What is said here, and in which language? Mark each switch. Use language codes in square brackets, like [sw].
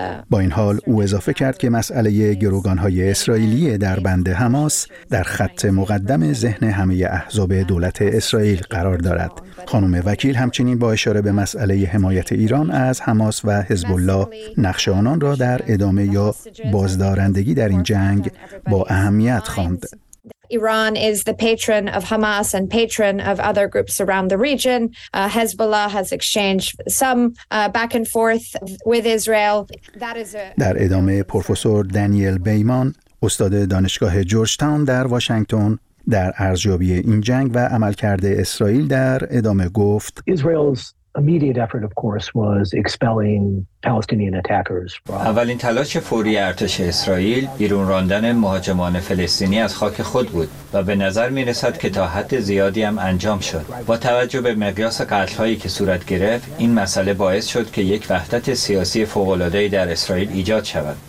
[fa] با این حال او اضافه کرد که مسئله گروگان‌های اسرائیلی در بند حماس در خط مقدم ذهن همه احزاب دولت اسرائیل قرار دارد. خانم وکیل همچنین با اشاره به مسئله حمایت ایران از حماس و حزب الله، نقش آنان را در ادامه یا بازدارندگی در این جنگ با اهمیت خواند. [en] Iran is the patron of Hamas and patron of other groups around the region. Hezbollah has exchanged some back and forth with Israel. [fa] در ادامه پروفسور دانیل بیمان، استاد دانشگاه جورج تاون در واشنگتن، در ارزیابی این جنگ و عملکرد اسرائیل در ادامه گفت: [en] Israel's immediate effort of course was expelling Palestinian attackers. [fa] اولین تلاش فوری ارتش اسرائیل بیرون راندن مهاجمان فلسطینی از خاک خود بود و به نظر می‌رسد که تا حد زیادی هم انجام شد. با توجه به مقیاس قتل‌هایی که صورت گرفت، این مسئله باعث شد که یک وحدت سیاسی فوق‌العاده‌ای در اسرائیل ایجاد شود.